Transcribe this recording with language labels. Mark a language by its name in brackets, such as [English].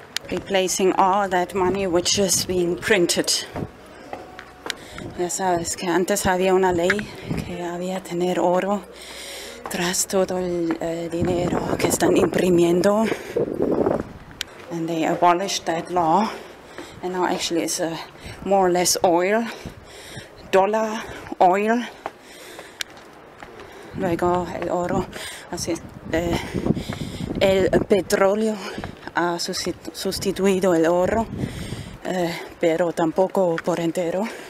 [English] replacing all that money which is being printed. [Spanish] Ya sabes que antes había una ley que había tener oro tras todo el dinero que están imprimiendo. [English] And they abolished that law. And now actually it's more or less oil, dollar oil. [Spanish] Luego el oro, así, el petróleo ha sustituido el oro, pero tampoco por entero.